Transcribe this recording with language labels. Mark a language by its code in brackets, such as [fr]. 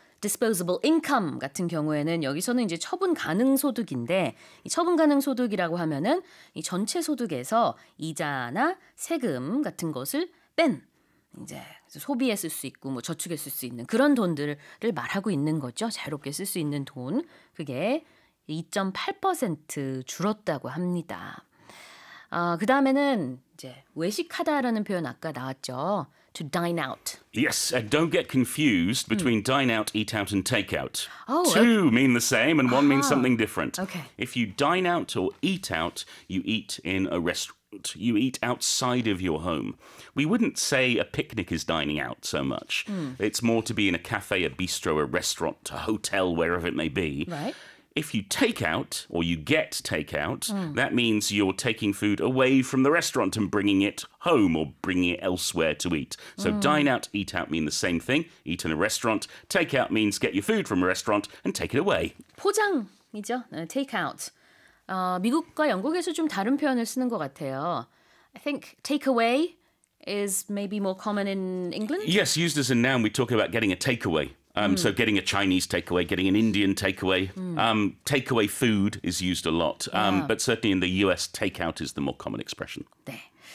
[ko] Disposable income 같은 경우에는 여기서는 이제 처분 가능 소득인데 이 처분 가능 소득이라고 하면은 이 전체 소득에서 이자나 세금 같은 것을 뺀 이제 소비에 쓸 수 있고 뭐 저축에 쓸 수 있는 그런 돈들을 말하고 있는 거죠. 자유롭게 쓸 수 있는 돈 그게 2.8% 줄었다고 합니다. 그 다음에는 이제 외식하다라는 표현 아까 나왔죠. [en] to dine out. Yes, and don't get confused between dine out, eat out, and take out. Oh, two okay. mean the same, and one means something different. Okay. If you dine out or eat out, you eat in a restaurant. You eat outside of your home. We wouldn't say a picnic is dining out so much. Mm. It's more to be in a cafe, a bistro, a restaurant, a hotel, wherever it may be. Right. If you take out or you get takeout, that means you're taking food away from the restaurant and bringing it home or bringing it elsewhere to eat. So dine out, eat out mean the same thing. Eat in a restaurant. Take out means get your food from a restaurant and take it away. [ko] 포장이죠. Take out. 미국과 영국에서 좀 다른 표현을 쓰는 것 같아요. [en] I think take away is maybe more common in England. Yes, used as a noun, we talk about getting a takeaway. So getting a Chinese takeaway, getting an Indian takeaway. Takeaway food is used a lot. But certainly in the US, takeout is the more common expression. [ko] 네.